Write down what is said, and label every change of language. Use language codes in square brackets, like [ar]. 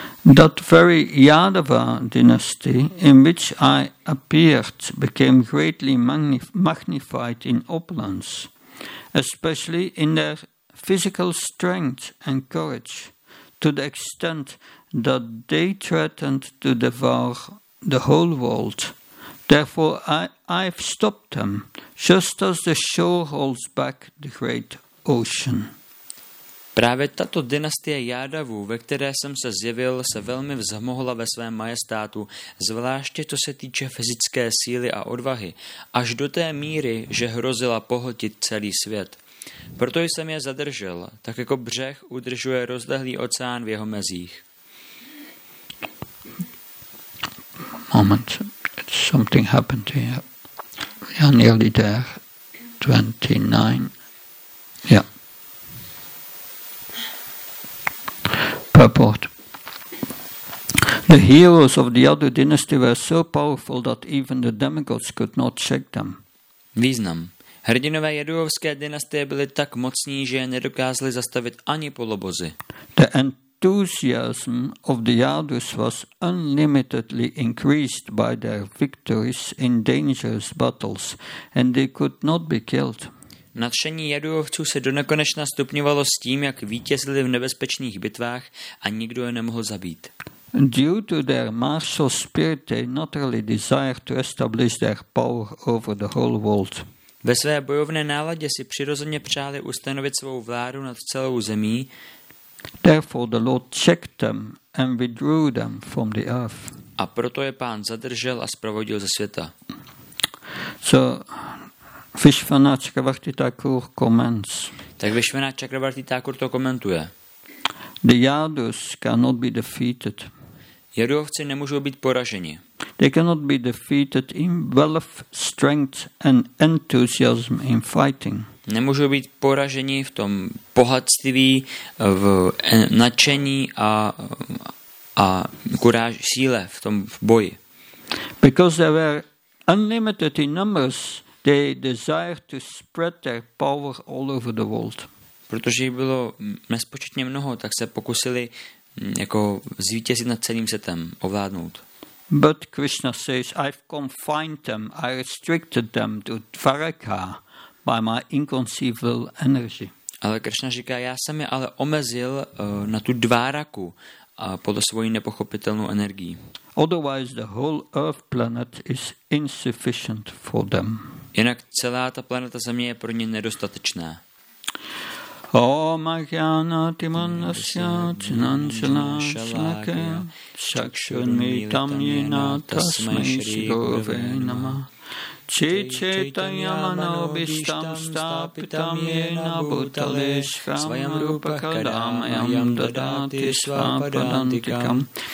[en] That very Yadava dynasty in which I appeared became greatly magnified in uplands, especially in their physical strength and courage, to the extent that they threatened to devour the whole world. Therefore, I've stopped them, just as the shore holds back the great ocean. [cs] Právě tato dynastie Jádavů, ve které jsem se zjevil, se velmi vzmohla ve svém majestátu, zvláště co se týče fyzické síly a odvahy, až do té míry, že hrozila pohltit celý svět. Proto jsem je zadržel, tak jako břeh udržuje rozlehlý oceán v jeho mezích. [en] Moment, something happened here. We are nearly there. 29. Yeah. Report. The heroes of the other dynasty were so powerful that even the demigods could not shake them. [cs] Význam. Hrdinové jedovské dynastie byly tak mocní, že je nedokázali zastavit ani polobozy. [en] The enthusiasm of the Yadus was unlimitedly increased by their victories in dangerous battles, and they could not be killed. [cs] Nadšení jadujovců se donekonečna stupňovalo s tím, jak vítězili v nebezpečných bitvách a nikdo je nemohl zabít. [en] Due to their martial spirit, they naturally desired to establish their power over the whole world. [cs] Ve své bojovné náladě si přirozeně přáli ustanovit svou vládu nad celou zemí. [en] Therefore the Lord checked them and withdrew them from the earth. [cs] A proto je pán zadržel a sprovodil ze světa. [en] So Vishvanatha Chakravarti Thakur comments. [cs] Tak Vishvanatha Chakravarti Thakur to komentuje. [en] The Yadus cannot be defeated. [cs] Jadovci nemůžou být poraženi. [en] They cannot be defeated in wealth, strength and enthusiasm in fighting. [cs] Nemůžou být poraženi v tom bohatství, v nadšení a kuráž, síle v tom v boji. [en] Because they were unlimited in numbers, they desire to spread their power all over the world. [cs] Protože jich bylo nespočetně mnoho, tak se pokusili jako zvítězit nad celým světem, ovládnout. [en] But Krishna says, I've confined them, I restricted them to Dvaraka by my inconceivable energy. [cs] Ale Krishna říká, já jsem je ale omezil na tu Dváraku podle svojí nepochopitelnou energii. [en] Otherwise the whole earth planet is insufficient for them. [cs] Jinak celá ta planeta Země je pro ně nedostatečná. [sa] O Mahjana Timonasya Chinanchala Shalaka Shakshunmitam Yena Tasmai Shri Gurave Nama Chichetanyamanobhishtam Stapitam Yena Bhutale Svayam Rupa Kadamayam Dadati Svapadantikam